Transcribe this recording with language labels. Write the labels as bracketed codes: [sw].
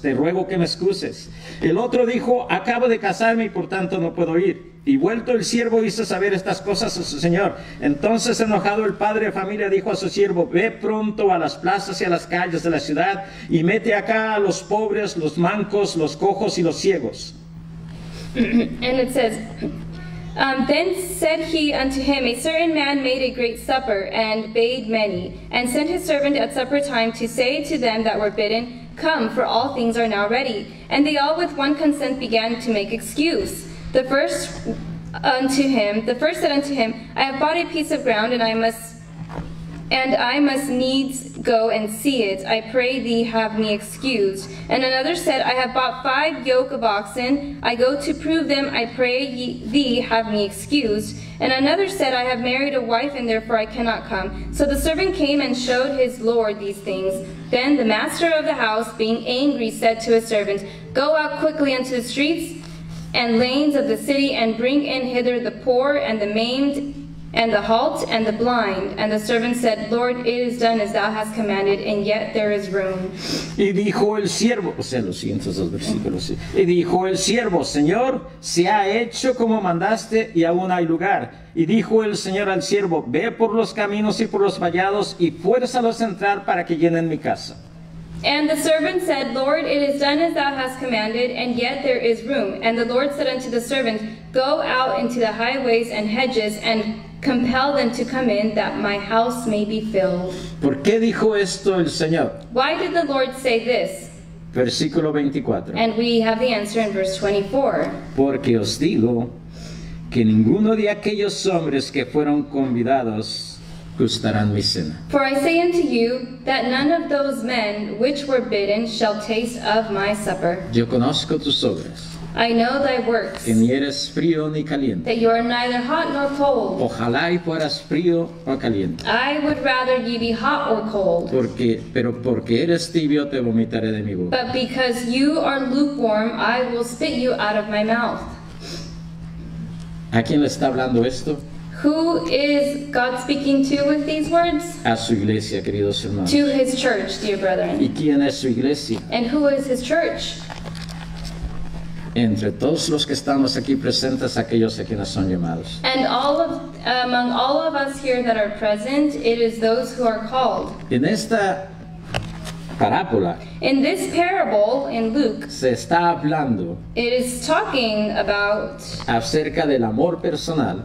[es] Te ruego que me excuses. El otro dijo, acabo de casarme y por tanto no puedo ir. Y vuelto el siervo hizo saber estas cosas a su señor. Entonces enojado el padre de familia dijo a su siervo, ve pronto a las plazas y a las calles de la ciudad y mete acá a los pobres, los mancos, los cojos y los ciegos. [en] And it says, then said he unto him, a certain man made a great supper and bade many, and sent his servant at supper time to say to them that were bidden, come, for all things are now ready. And they all with one consent began to make excuse. The first said unto him, I have bought a piece of ground, and I must needs go and see it. I pray thee, have me excused. And another said, I have bought 5 yoke of oxen. I go to prove them. I pray thee, have me excused. And another said, I have married a wife, and therefore I cannot come. So the servant came and showed his lord these things. Then the master of the house, being angry, said to his servant, go out quickly into the streets and lanes of the city, and bring in hither the poor, and the maimed, and the halt, and the blind. And the servant said, Lord, it is done as thou hast commanded, and yet there is room. [es] Y dijo el siervo, o sea, los siguientes dos versículos. Y dijo el siervo, Señor, se ha hecho como mandaste, y aún hay lugar. Y dijo el Señor al siervo, ve por los caminos y por los vallados, y fuérzalos a entrar para que llenen mi casa. [en] And the servant said, Lord, it is done as thou hast commanded, and yet there is room. And the Lord said unto the servant, go out into the highways and hedges, and compel them to come in, that my house may be filled. [es] ¿Por qué dijo esto el Señor? [en] Why did the Lord say this? [es] Versículo 24. [en] And we have the answer in verse 24. [es] Porque os digo que ninguno de aquellos hombres que fueron convidados gustarán mi cena. [en] For I say unto you that none of those men which were bidden shall taste of my supper. [es] Yo conozco tus obras. [en] I know thy works. [es] Que ni eres frío ni caliente. [en] That you are neither hot nor cold. [es] Ojalá y fueras frío o caliente. [en] I would rather ye be hot or cold. [es] Porque eres tibio, te vomitaré de mi boca. [en] But because you are lukewarm, I will spit you out of my mouth. [es] ¿A quién le está hablando esto? [en] Who is God speaking to with these words? [es] A su iglesia, queridos hermanos. [en] To his church, dear brethren. [es] ¿Y quién es su iglesia? [en] And who is his church? [es] Entre todos los que estamos aquí presentes, aquellos a quienes son llamados. [en] And all of, among all of us here that are present, it is those who are called. [es] En esta parábola, [en] in this parable in Luke, [es] se está hablando, [en] it is talking about, [es] acerca del amor personal,